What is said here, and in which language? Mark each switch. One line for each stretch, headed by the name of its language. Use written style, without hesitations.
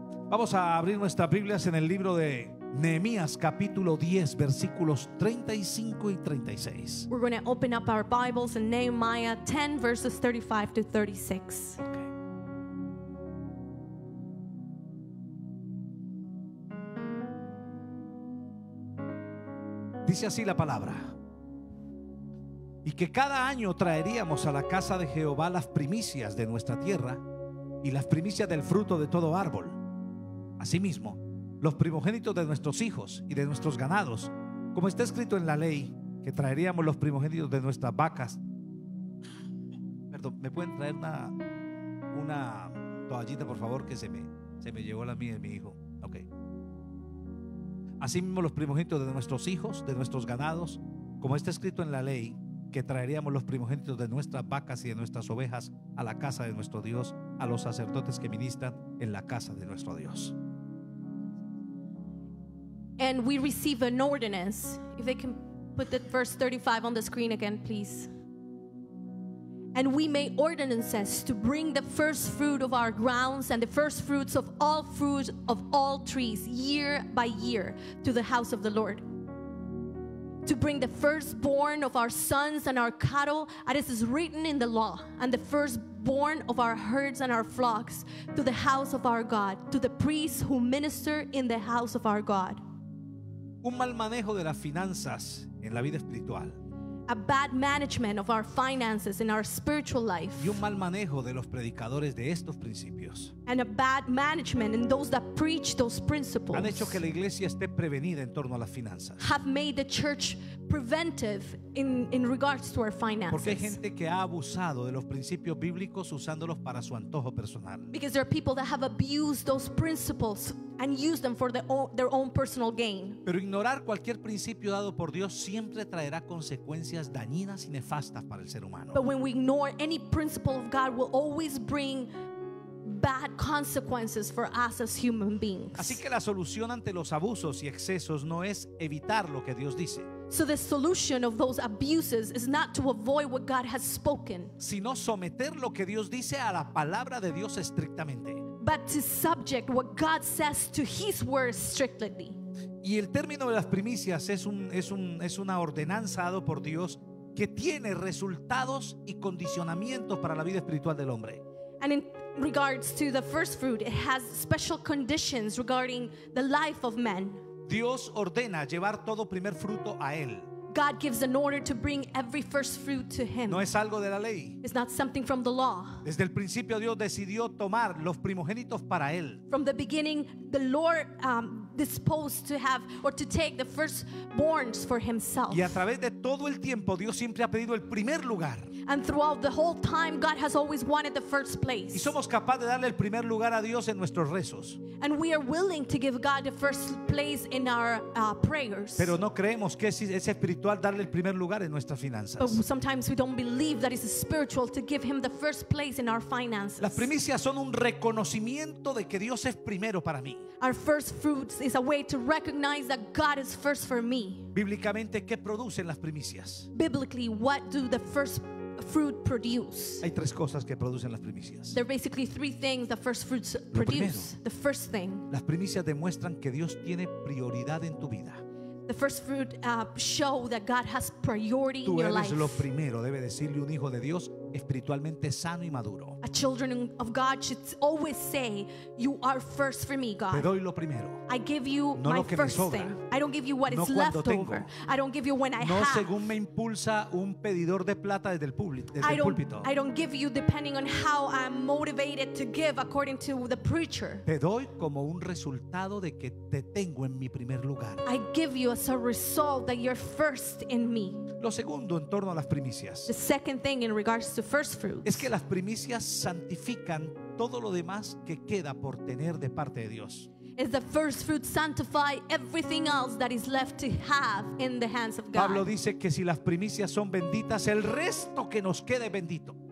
Spanish: Vamos a abrir nuestras Biblias en el libro de Nehemías, capítulo 10, versículos 35 y 36.
English: We're going to open up our Bibles in Nehemiah 10, verses 35 to 36. Okay.
Spanish: Dice así la palabra: y que cada año traeríamos a la casa de Jehová las primicias de nuestra tierra y las primicias del fruto de todo árbol. Asimismo, los primogénitos de nuestros hijos y de nuestros ganados, como está escrito en la ley, que traeríamos los primogénitos de nuestras vacas. Perdón, ¿me pueden traer una toallita, por favor, que se me llevó la mía de mi hijo? Ok. Asimismo, los primogénitos de nuestros hijos, de nuestros ganados, como está escrito en la ley, que traeríamos los primogénitos de nuestras vacas y de nuestras ovejas a la casa de nuestro Dios, a los sacerdotes que ministran en la casa de nuestro Dios.
English: And we receive an ordinance. If they can put the verse 35 on the screen again, please. And we make ordinances to bring the first fruit of our grounds and the first fruits of all fruit of all trees year by year to the house of the Lord. To bring the firstborn of our sons and our cattle, as it is written in the law, and the firstborn of our herds and our flocks to the house of our God, to the priests who minister in the house of our God.
Spanish: Un mal manejo de las finanzas en la vida espiritual.
English: A bad management of our finances in our spiritual life.
Spanish: Y un mal manejo de los predicadores de estos principios.
English: And a bad management in those that preach those principles.
Spanish: Han hecho que la iglesia esté prevenida en torno a las finanzas.
English: Have made the church preventive in regards to our finances.
Spanish: Porque hay gente que ha abusado de los principios bíblicos usándolos para su antojo personal.
English: Because there are people that have abused those principles and use them for their own personal gain.
Spanish: Pero ignorar cualquier principio dado por Dios siempre traerá consecuencias dañinas y nefastas para el ser humano.
English: But when we ignore any principle of God, will always bring bad consequences for us as human beings.
Spanish: Así que la solución ante los abusos y excesos no es evitar lo que Dios dice.
English: So the solution of those abuses is not to avoid what God has spoken.
Spanish: Sino someter lo que Dios dice a la palabra de Dios estrictamente.
English: But to subject what God says to His word strictly.
Spanish: Y el término de las primicias es una ordenanza dado por Dios que tiene resultados y condicionamientos para la vida espiritual del hombre.
English: And in regards to the first fruit, it has special conditions regarding the life of men.
Spanish: Dios ordena llevar todo primer fruto a él.
English: God gives an order to bring every first fruit to him.
Spanish: No es algo de la ley.
English: It's not something from the law.
Spanish: Desde el principio Dios decidió tomar los primogénitos para él.
English: From the beginning, the Lord disposed to have or to take the firstborns for himself.
Spanish: Y a través de todo el tiempo Dios siempre ha pedido el primer lugar.
English: And throughout the whole time, God has always wanted the first place.
Spanish: Y somos capaces de darle el primer lugar a Dios en nuestros rezos.
English: And we are willing to give God the first place in our prayers.
Spanish: Pero no creemos que es espiritual darle el primer lugar en nuestras finanzas.
English: But sometimes we don't believe that it's spiritual to give Him the first place in our finances.
Spanish: Las primicias son un reconocimiento de que Dios es primero para mí.
English: Our first fruits is a way to recognize that God is first for me.
Spanish: Bíblicamente, ¿qué producen las primicias?
English: Biblically, what do the first fruit produce?
Spanish: Hay tres cosas que producen las primicias.
English: There are basically three things the first fruits produce.
Spanish: Primero,
English: the first thing.
Spanish: Las primicias demuestran que Dios tiene prioridad en tu vida.
English: The first fruit show that God has priority
Spanish: tú
English: in your life.
Spanish: Tú eres lo primero, debe decirle un hijo de Dios espiritualmente sano y maduro.
English: A children of God should always say, "You are first for me, God."
Spanish: Te doy lo primero.
English: I give you
Spanish: no
English: my first thing. I don't give you what
Spanish: no
English: is left
Spanish: tengo.
English: Over. I don't give you when I
Spanish: no
English: have.
Spanish: No según me impulsa un pedidor de plata desde el público.
English: I don't give you depending on how I'm motivated to give according to the preacher.
Spanish: Te doy como un resultado de que te tengo en mi primer lugar.
English: I give you as a result that you're first in me.
Spanish: Lo segundo en torno a las primicias.
English: The second thing in regards to first fruits.
Spanish: Es que las primicias santifican todo lo demás que queda por tener de parte de Dios.
English: Is the first fruit sanctify everything else that is left to have in the hands of God?
Spanish: Pablo dice que si las primicias son benditas, el resto que nos quede bendito.